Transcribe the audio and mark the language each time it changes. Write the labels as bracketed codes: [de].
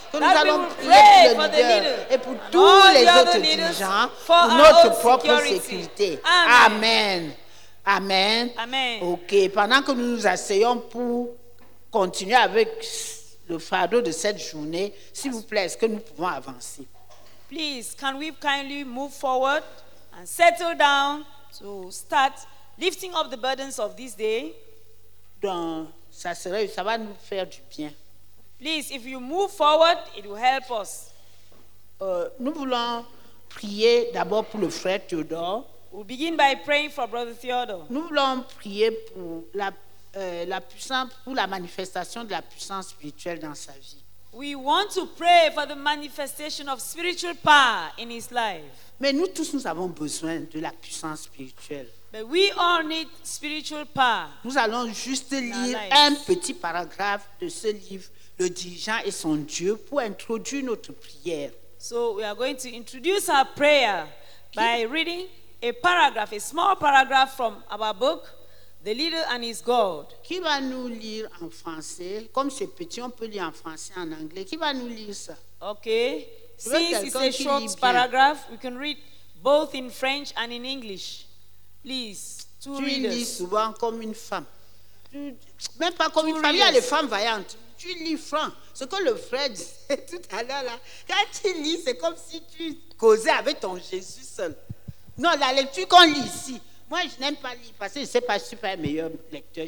[fr] que nous allons prier pour le leader et pour tous les autres dirigeants pour notre propre sécurité. Amen. Amen. Amen. Ok, pendant que nous nous asseyons pour continuer avec le fardeau de cette journée, s'il vous plaît, est-ce que nous pouvons avancer? [en] Please, can we kindly move forward and settle down to start lifting up the burdens of this day? [fr] Donc, ça va nous faire du bien. [en] Please, if you move forward, it will help us. [fr] Nous voulons prier d'abord pour le frère Théodore. [en] We'll begin by praying for Brother Theodore. [fr] Nous voulons prier pour la puissance, pour la manifestation de la puissance spirituelle dans sa vie. [en] We want to pray for the manifestation of spiritual power in his life. [fr] Mais nous tous, nous avons besoin de la puissance spirituelle. [en] But we all need spiritual power. [fr] Nous allons juste lire un petit paragraphe de ce livre, Le dirigeant et son Dieu, pour introduire notre prière. [en] So we are going to introduce our prayer by reading a paragraph, a small paragraph from our book, The Leader and His God. [fr] Qui va nous lire en français? Comme c'est petit, on peut lire en français, en anglais. Qui va nous lire ça? Okay. [en] Since it's a short paragraph, we can read both in French and in English. Please, two tu readers. [fr] Lis souvent comme une femme. Même pas comme two une femme, il y a les femmes vaillantes. Tu lis franc. Ce que le frère disait tout à l'heure là, quand tu lis, c'est comme si tu causais avec ton Jésus seul. Non, la lecture qu'on lit ici, moi je n'aime pas lire parce que je ne sais pas si je suis pas un meilleur lecteur.